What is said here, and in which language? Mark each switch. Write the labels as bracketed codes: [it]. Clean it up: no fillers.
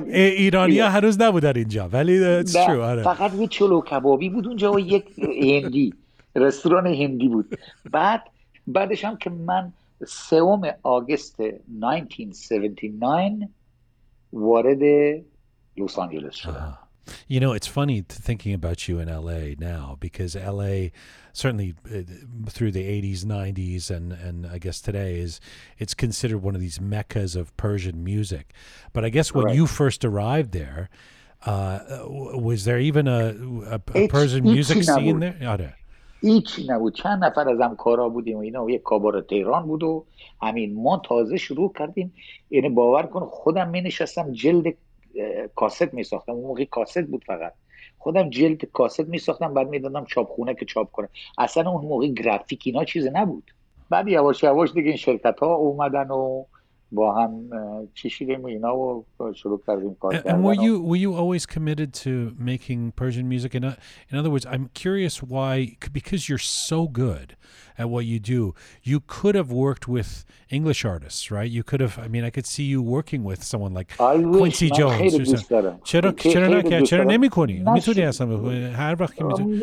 [fa] ایرانی ها هنوز نبودن اینجا ولی [en] it's true. [fa] فقط یه چلو کبابی بود اونجا و یک هندی رستوران هندی بود. بعدش هم که من 3 آگست 1979 وارد لس آنجلس شدم. [en] You know, it's funny thinking about you in LA now because LA certainly through the 80s, 90s and I guess today it's considered one of these meccas of Persian music. But I guess when you first arrived there, was there even a Persian music scene there? [fa] آره. هیچی نبود. چند نفر از همکارا بودیم و اینا و یک کابار تهران بود و همین ما تازه شروع کردیم. یعنی باور کن خودم می نشستم جلد کاست می ساختم. اون موقع کاست بود فقط. خودم جلد کاست می ساختم بعد می دادم چاپخونه که چاپ کنه. اصلا اون موقع گرافیک اینا چیز نبود. بعد یواش یواش دیگه این شرکت ها اومدن و با هم چشیدیم و اینا و شروع کردیم کار [en] and [fa] کردن [en] were you always committed to making Persian music? In other words, I'm curious why, because you're so good at what you do, you could have worked with English artists, right? You could have, I mean, I could see you working with someone like Quincy Jones. [fa] خیلی دوست دارم. چرا نه که چرا نمی کنی؟ می تونی اصلا هر وقت که می تونی؟